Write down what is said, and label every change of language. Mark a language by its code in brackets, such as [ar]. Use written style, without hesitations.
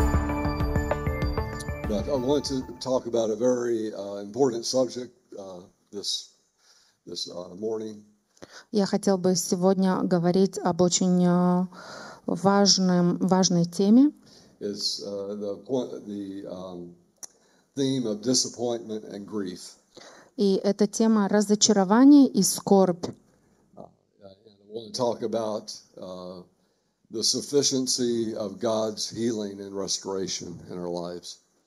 [en] wanted to talk about a very important subject this morning. [ru] Я хотел бы сегодня говорить об очень важной теме. [en] Is the theme of disappointment and grief. [ru] И это тема разочарования и скорбь. [en] And I want to talk about the sufficiency of God's healing and restoration in our lives.